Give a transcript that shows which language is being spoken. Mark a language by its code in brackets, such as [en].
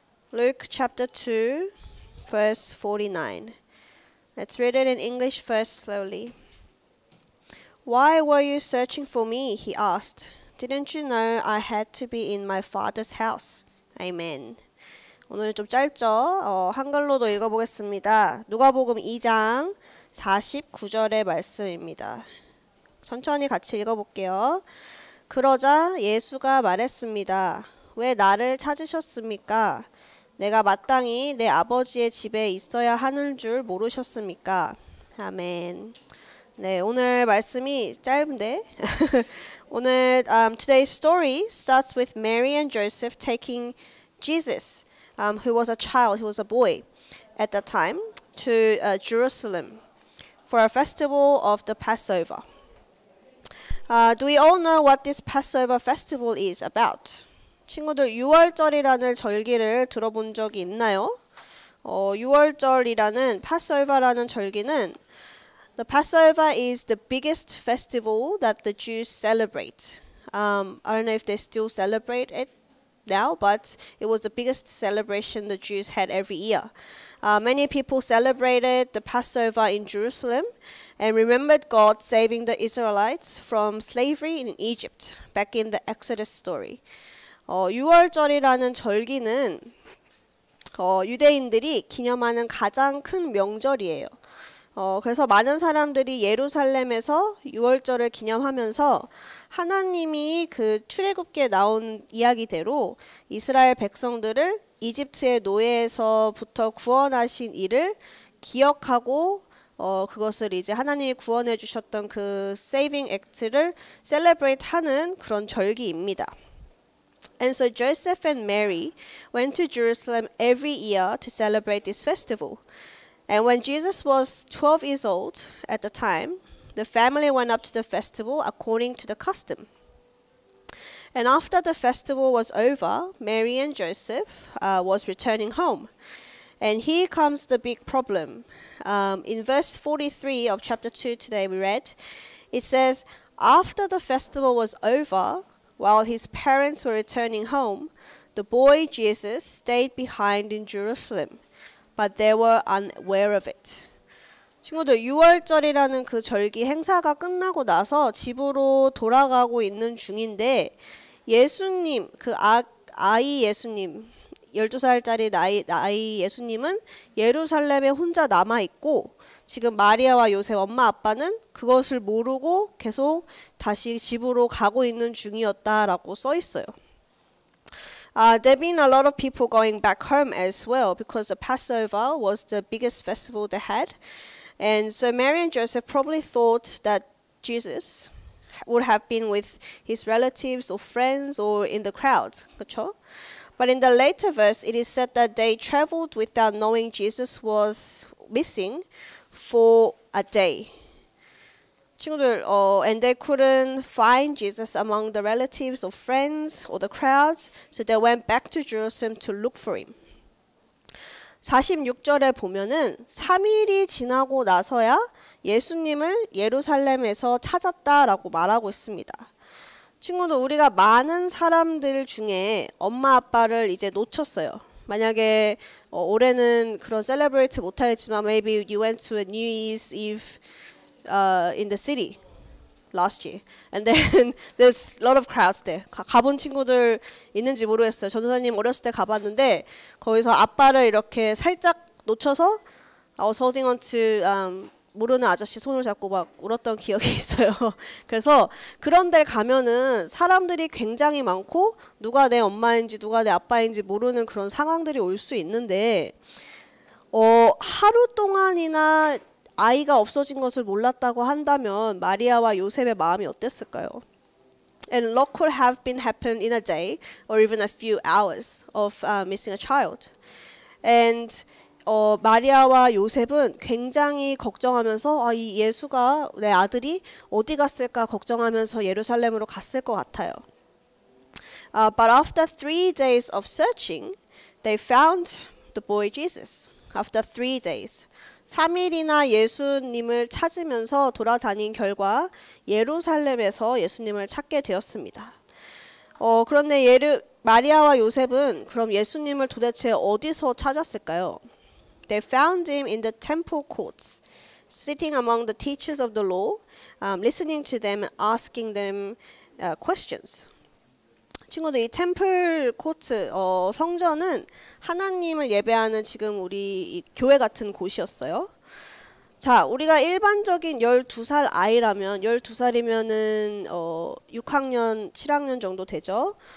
[en] Luke chapter 2. Verse 49. Let's read it in English first, slowly. Why were you searching for me? He asked. Didn't you know I had to be in my father's house? Amen. [ko] 오늘은 좀 짧죠? 한글로도 읽어보겠습니다. 누가복음 2장 49절의 말씀입니다. 천천히 같이 읽어볼게요. 그러자 예수가 말했습니다. 왜 나를 찾으셨습니까? 내가 마땅히 내 아버지의 집에 있어야 하는 줄 모르셨습니까? 아멘. 네, 오늘 말씀이 짧은데 오늘 [en] today's story starts with Mary and Joseph taking Jesus, who was a child, who was a boy at that time, to Jerusalem for a festival of the Passover. Do we all know what this Passover festival is about? [ko] 친구들 유월절이라는 절기를 들어본 적이 있나요? 유월절이라는 파스오버라는 절기는 [en] The Passover is the biggest festival that the Jews celebrate. I don't know if they still celebrate it now, but it was the biggest celebration the Jews had every year. Many people celebrated the Passover in Jerusalem and remembered God saving the Israelites from slavery in Egypt back in the Exodus story. [ko] 유월절이라는 절기는 유대인들이 기념하는 가장 큰 명절이에요. 그래서 많은 사람들이 예루살렘에서 유월절을 기념하면서 하나님이 그 출애굽기에 나온 이야기대로 이스라엘 백성들을 이집트의 노예에서부터 구원하신 일을 기억하고 그것을 이제 하나님이 구원해 주셨던 그 [en] saving act [ko] 를 [en] celebrate [ko] 하는 그런 절기입니다. [en] And so Joseph and Mary went to Jerusalem every year to celebrate this festival. And when Jesus was 12 years old at the time, the family went up to the festival according to the custom. And after the festival was over, Mary and Joseph was returning home. And here comes the big problem. In verse 43 of chapter 2 today we read, it says, after the festival was over, while his parents were returning home, the boy Jesus stayed behind in Jerusalem, but they were unaware of it. [ko] 친구들, 유월절이라는 그 절기 행사가 끝나고 나서 집으로 돌아가고 있는 중인데 예수님, 그 아이 예수님, 12살짜리 나이 예수님은 예루살렘에 혼자 남아 있고 지금 마리아와 요셉 엄마 아빠는 그것을 모르고 계속 다시 집으로 가고 있는 중이었다라고 써 있어요. [en] There been a lot of people going back home as well because the Passover was the biggest festival they had. And so Mary and Joseph probably thought that Jesus would have been with his relatives or friends or in the crowd. [ko] 그쵸? [en] But in the later verse, it is said that they traveled without knowing Jesus was missing for a day. [ko] 친구들, [en] and they couldn't find Jesus among the relatives or friends or the crowds, so they went back to Jerusalem to look for him. [ko] 46절에 보면은 3일이 지나고 나서야 예수님을 예루살렘에서 찾았다라고 말하고 있습니다. 친구들, 우리가 많은 사람들 중에 엄마 아빠를 이제 놓쳤어요. 만약에 올해는 그런 셀레브레이트 못 하겠지만 [en] maybe you went to a New Year's Eve in the city last year. And then there's a lot of crowds there. [ko] 가본 친구들 있는지 모르겠어요. 전도사님 어렸을 때 가봤는데 거기서 아빠를 이렇게 살짝 놓쳐서 [en] I was holding on to [ko] 모르는 아저씨 손을 잡고 막 울었던 기억이 있어요. 그래서 그런 데 가면은 사람들이 굉장히 많고 누가 내 엄마인지 누가 내 아빠인지 모르는 그런 상황들이 올 수 있는데 하루 동안이나 아이가 없어진 것을 몰랐다고 한다면 마리아와 요셉의 마음이 어땠을까요? [en] And a lot could have been happened in a day or even a few hours of missing a child. [ko] And 마리아와 요셉은 굉장히 걱정하면서 이 예수가 내 아들이 어디 갔을까 걱정하면서 예루살렘으로 갔을 것 같아요. [en] But after 3 days of searching, they found the boy Jesus. After 3 days. [ko] 3일이나 예수님을 찾으면서 돌아다닌 결과 예루살렘에서 예수님을 찾게 되었습니다. 그런데 마리아와 요셉은 그럼 예수님을 도대체 어디서 찾았을까요? [en] They found him in the temple courts, sitting among the teachers of the law, listening to them, asking them questions. [ko] 친구들, 이 템플 코트, 성전은 하나님을 예배하는 지금 우리 교회 같은 곳이었어요. 자, 우리가 일반적인 12살 아이라면, 12살이면은 6학년, 7학년 정도 되죠.